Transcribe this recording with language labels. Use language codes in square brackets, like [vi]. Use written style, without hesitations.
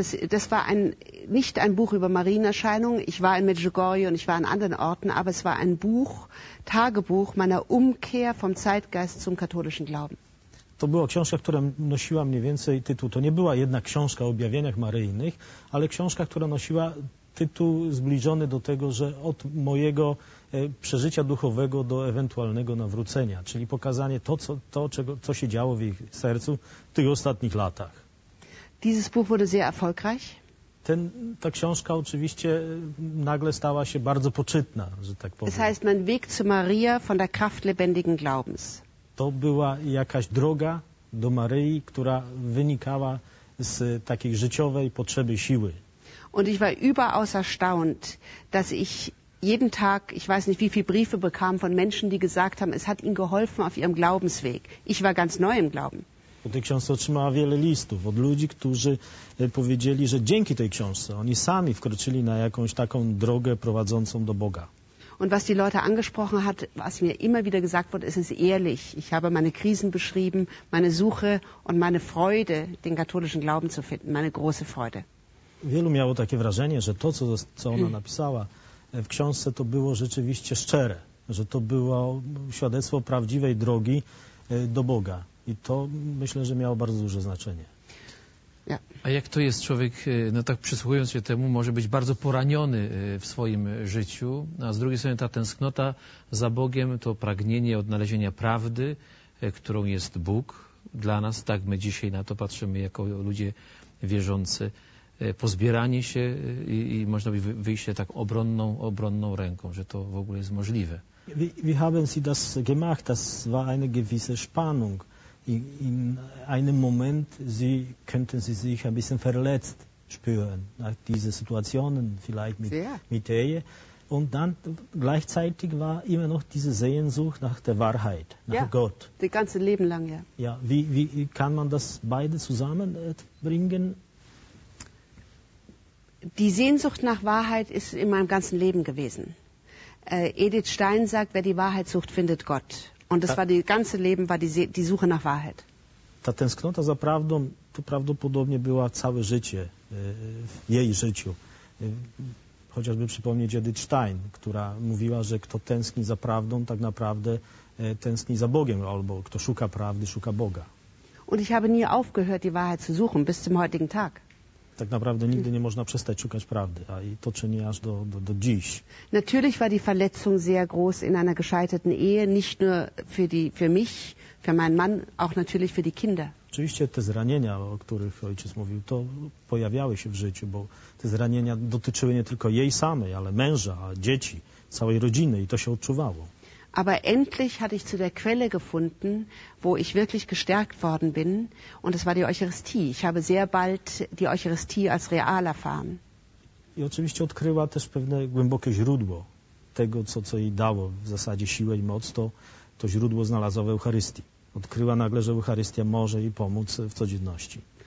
[de] Das war nicht ein Buch über Marienerscheinungen. Ich war in Medjugorje und ich war an anderen Orten, aber es war ein Buch, Tagebuch meiner Umkehr vom Zeitgeist zum katholischen Glauben. [pl] To była książka, która nosiła mniej więcej tytuł. To nie była jedna książka o objawieniach maryjnych, ale książka, która nosiła tytuł zbliżony do tego, że od mojego przeżycia duchowego do ewentualnego nawrócenia, czyli pokazanie to, co się działo w ich sercu w tych ostatnich latach. [de] Dieses Buch wurde sehr erfolgreich. [pl] Ta książka oczywiście nagle stała się bardzo poczytna, że tak powiem. [de] Es heißt, mein Weg zu Maria von der Kraft lebendigen Glaubens. [pl] To była jakaś droga do Maryi, która wynikała z takiej życiowej potrzeby siły. [de] Und ich war überaus erstaunt, dass ich jeden Tag, ich weiß nicht, wie viele Briefe bekam von Menschen, die gesagt haben, es hat ihnen geholfen auf ihrem Glaubensweg. Ich war ganz neu im Glauben. [pl] Po tej książce otrzymała wiele listów od ludzi, którzy powiedzieli, że dzięki tej książce oni sami wkroczyli na jakąś taką drogę prowadzącą do Boga. [de] Und was die Leute angesprochen hat, was mir immer wieder gesagt wurde, ist es ehrlich. Ich habe meine Krisen beschrieben, meine Suche und meine Freude, den katholischen Glauben zu finden, meine große Freude. [pl] Wielu miało takie wrażenie, że to, co ona napisała w książce, to było rzeczywiście szczere, że to było świadectwo prawdziwej drogi do Boga. I to myślę, że miało bardzo duże znaczenie. A jak to jest, człowiek, no tak przysłuchując się temu, może być bardzo poraniony w swoim życiu, a z drugiej strony ta tęsknota za Bogiem, to pragnienie odnalezienia prawdy, którą jest Bóg dla nas, tak my dzisiaj na to patrzymy jako ludzie wierzący, pozbieranie się i można by wyjść tak obronną ręką, że to w ogóle jest możliwe. [de] Wir haben sie das gemacht, das war eine gewisse Spannung. In einem Moment sie könnten sie sich ein bisschen verletzt spüren, diese Situationen vielleicht mit Ehe. Und dann gleichzeitig war immer noch diese Sehnsucht nach der Wahrheit, nach Gott. Die ganze Leben lang, ja. Ja, wie kann man das beide zusammen bringen? Die Sehnsucht nach Wahrheit ist in meinem ganzen Leben gewesen. Edith Stein sagt, wer die Wahrheit sucht, findet Gott. Und das war die ganze Leben war die Suche nach Wahrheit. [pl] Ta tęsknota za prawdą to prawdopodobnie była całe życie, w jej życiu. Chociażby przypomnieć Edith Stein, która mówiła, że kto tęskni za prawdą, tak naprawdę tęskni za Bogiem, albo kto szuka prawdy, szuka Boga. [de] Und ich habe nie aufgehört, die Wahrheit zu suchen, bis zum heutigen Tag. [pl] Tak naprawdę nigdy nie można przestać szukać prawdy, a i to czyni aż do dziś. [de] Natürlich war die Verletzung sehr groß in einer gescheiterten Ehe, nicht nur für mich, für meinen Mann, auch natürlich für die Kinder. [pl] Oczywiście te zranienia, o których ojciec mówił, to pojawiały się w życiu, bo te zranienia dotyczyły nie tylko jej samej, ale męża, dzieci, całej rodziny i to się odczuwało. [de] Aber endlich hatte ich zu der Quelle gefunden, wo ich wirklich gestärkt worden bin, und das war die Eucharistie. Ich habe sehr bald die Eucharistie als real erfahren. [pl] I oczywiście odkryła też pewne głębokie źródło tego, co jej dało w zasadzie siłę i moc, to źródło znalazła w Eucharystii. Odkryła nagle, że Eucharystia może jej pomóc w codzienności.